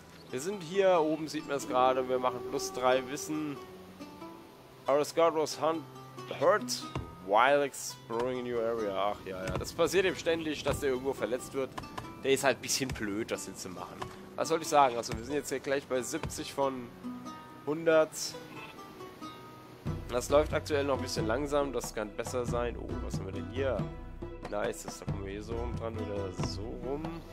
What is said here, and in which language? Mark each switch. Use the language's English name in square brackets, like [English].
[German] Wir sind hier oben, sieht man es gerade. Wir machen +3 Wissen. [English] Our scout was hurt while exploring a new area. [German] Ach ja, ja. Das passiert ihm ständig, dass der irgendwo verletzt wird. Der ist halt ein bisschen blöd, das hinzumachen. Was soll ich sagen? Also, wir sind jetzt hier gleich bei 70 von 100. Das läuft aktuell noch ein bisschen langsam, das kann besser sein. Oh, was haben wir denn hier? Nice, das, da kommen wir hier so rum dran oder so rum.